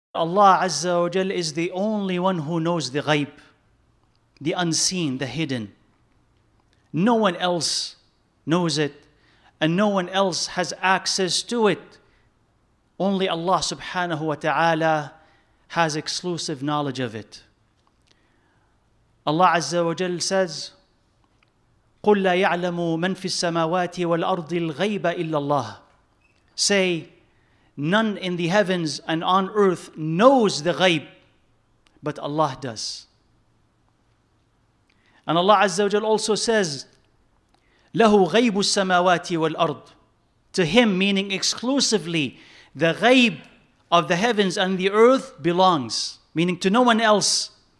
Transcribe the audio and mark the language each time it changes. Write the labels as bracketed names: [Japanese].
[English] Allah Azza wa Jal is the only one who knows the ghaib, the unseen, the hidden. No one else knows it, and no one else has access to it. Only Allah subhanahu wa ta'ala has exclusive knowledge of it. [Arabic] Allah Azza wa Jal [English] says, [Arabic] قُلْ لَا يَعْلَمُ مَنْ فِي السَّمَاوَاتِ وَالْأَرْضِ الْغَيْبَ إِلَّا اللَّهِ. [English] Say, none in the heavens and on earth knows the ghaib, but Allah does. And [Arabic] Allah Azza wa Jal [English] also says, [Arabic] لَهُ غَيْبُ السَّمَاوَاتِ وَالْأَرْضِ. [English] To him, meaning exclusively, the ghaib of the heavens and the earth belongs, meaning to no one else.